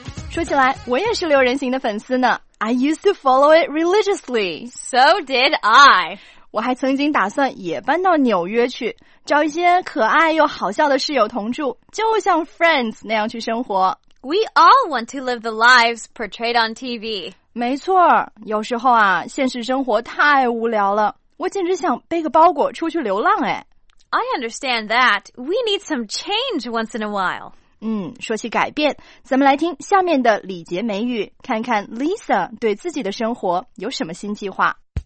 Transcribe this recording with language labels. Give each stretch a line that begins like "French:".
Chinese: 说起来,我也是六人行的粉丝呢。
English: I used to follow it religiously. So did I.
Chinese: 我还曾经打算也搬到纽约去，找一些可爱又好笑的室友同住，就像 Friends 那样去生活。
English: We all want to live the lives portrayed on TV.
Chinese: 没错，有时候啊，现实生活太无聊了，我简直想背个包裹出去流浪哎。
English: I understand that. We need some change once in a while.
Chinese: 嗯，说起改变，咱们来听下面的礼节美语，看看 Lisa 对自己的生活有什么新计划。